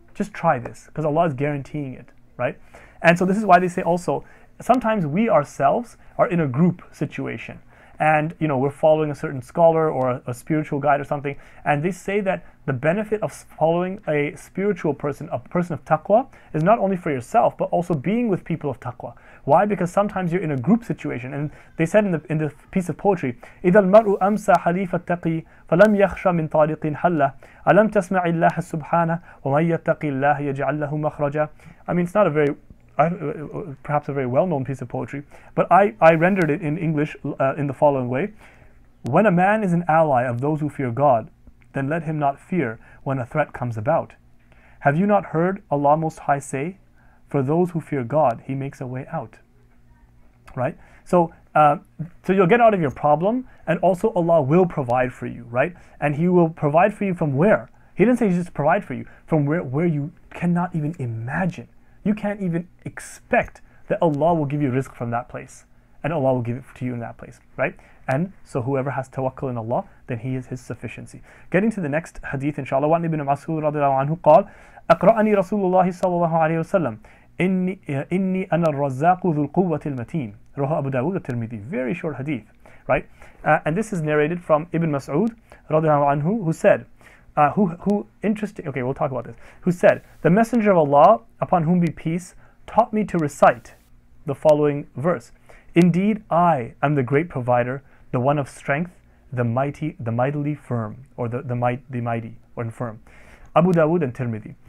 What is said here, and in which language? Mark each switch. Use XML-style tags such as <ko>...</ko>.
<en>Just try this, because Allah is guaranteeing it, right? And so this is why they say also, sometimes we ourselves are in a group situation. And you know, we're following a certain scholar or a spiritual guide or something. And they say that the benefit of following a spiritual person, a person of taqwa, is not only for yourself, but also being with people of taqwa. Why? Because sometimes you're in a group situation. And they said in the piece of poetry,</en> <ar>إِذَا الْمَرْءُ أَمْسَى حَلِيفَ التَّقِي فَلَمْ يَخْشَ مِنْ طَارِقٍ حَلَّ أَلَمْ تَسْمَعِ اللَّهَ سُبْحَانَهُ وَمَنْ يَتَّقِ اللَّهَ يَجْعَلْ لَهُ مَخْرَجًا.</ar> <en>I mean, it's not a very... perhaps a very well-known piece of poetry, but I rendered it in English in the following way. When a man is an ally of those who fear God, then let him not fear when a threat comes about. Have you not heard Allah Most High say, for those who fear God, He makes a way out? Right? So you'll get out of your problem, and also Allah will provide for you, right? And He will provide for you from where? He didn't say He just provide for you. From where you cannot even imagine. You can't even expect that Allah will give you rizq from that place. And Allah will give it to you in that place, right? And so whoever has tawakkul in Allah, then he is his sufficiency. Getting to the next hadith, inshallah.</en> <ar>Wa'an ibn Mas'ud radiallahu anhu qal, أقرأني رسول الله صلى الله عليه وسلم إني أنا الرزاق ذو القوة المتين. رواه أبو داود الترمذي.</ar> <en>Very short hadith, right? And this is narrated from Ibn Mas'ud radiallahu anhu, who said, we'll talk about this. Who said, the Messenger of Allah, upon whom be peace, taught me to recite the following verse. Indeed, I am the great provider, the one of strength, the mighty, the mightily firm, or the mighty or infirm. Abu Dawud and Tirmidhi.</en>